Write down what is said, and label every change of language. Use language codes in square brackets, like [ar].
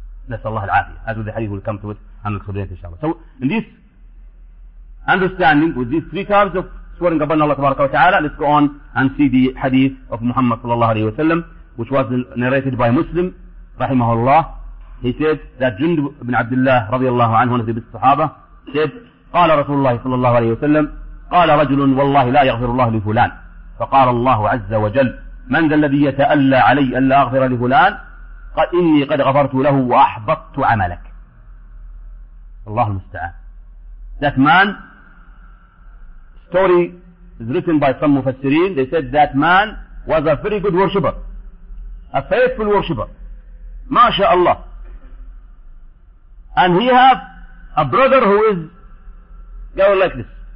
[ar] نسأل الله العافية. [en] As with the hadith will come to us and explain it inshallah. So in this understanding, with these three terms of swearing upon Allah tabaraka wa ta'ala, let's go on and see the hadith of Muhammad sallallahu alayhi wa sallam, which was narrated by Muslim rahimahullah. He said that Jundub ibn Abdullah radiyallahu anhu, one of the best sahaba, said [ar] قال رسول الله صلى الله عليه وسلم قال رجل والله لا يغفر الله لفلان فقال الله عز وجل من ذا الذي يتألى علي أن لا أغفر لفلان قال إني قد غفرت له وأحبطت عملك. الله المستعان. [en] That man, story is written by some مفسرين, they said that man was a very good worshipper, a faithful worshipper, ما شاء الله. And he have a brother who is going like this.